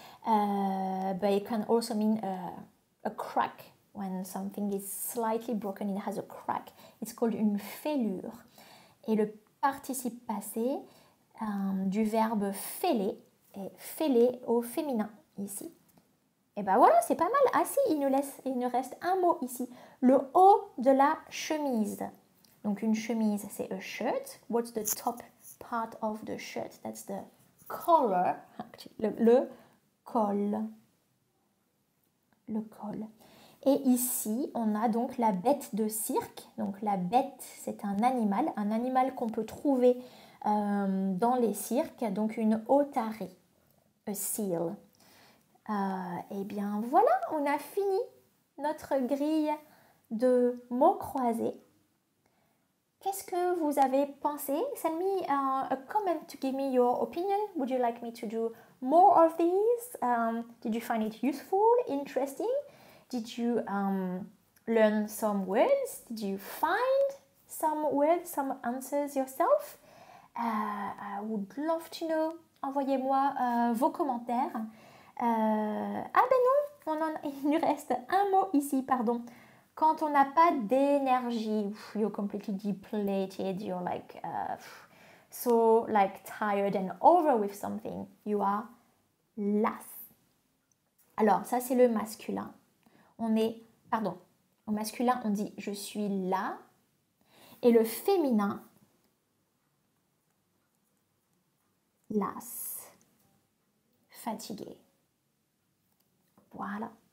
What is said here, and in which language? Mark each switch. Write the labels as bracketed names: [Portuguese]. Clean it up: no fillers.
[English] But it can also mean a crack. When something is slightly broken, it has a crack. It's called une fêlure. [French] Et le participe passé du verbe fêler est fêlé au féminin ici. Et ben voilà, c'est pas mal. Ah si, il nous reste un mot ici. Le haut de la chemise. Donc une chemise, c'est [English] a shirt. What's the top part of the shirt? That's the collar. [French] Le col. Le col. Et ici, on a donc la bête de cirque. Donc la bête, c'est un animal qu'on peut trouver dans les cirques. Donc une otarie, [English] a seal. [French] Et bien voilà, on a fini notre grille de mots croisés. Qu'est-ce que vous avez pensé? [English] Send me a comment to give me your opinion. Would you like me to do more of these? Did you find it useful, interesting? Did you learn some words? Did you find some words, some answers yourself? I would love to know [French] envoyez-moi vos commentaires. Il nous reste un mot ici, pardon. Quand on n'a pas d'énergie, [English] you're completely depleted, you're like so like tired and over with something, you are las. [French] Alors, ça c'est le masculin. Au masculin, on dit je suis la. Et le féminin, las, fatigué. Voilà.